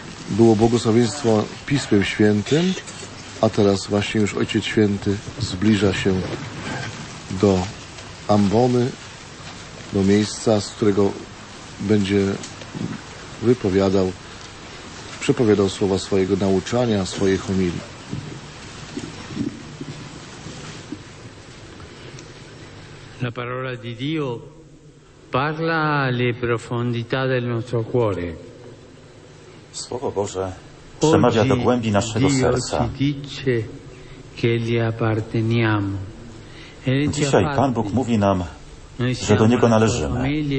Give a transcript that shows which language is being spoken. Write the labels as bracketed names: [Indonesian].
[Polish] Było błogosławieństwo Pismem Świętym, a teraz właśnie już Ojciec Święty zbliża się do ambony, do miejsca, z którego będzie wypowiadał, przepowiadał słowa swojego nauczania, swojej homilii. [Italian] La parola di Dio parla alle profondità del nostro cuore. [Polish] Słowo Boże przemawia do głębi naszego serca. Dzisiaj Pan Bóg mówi nam, że do Niego należymy.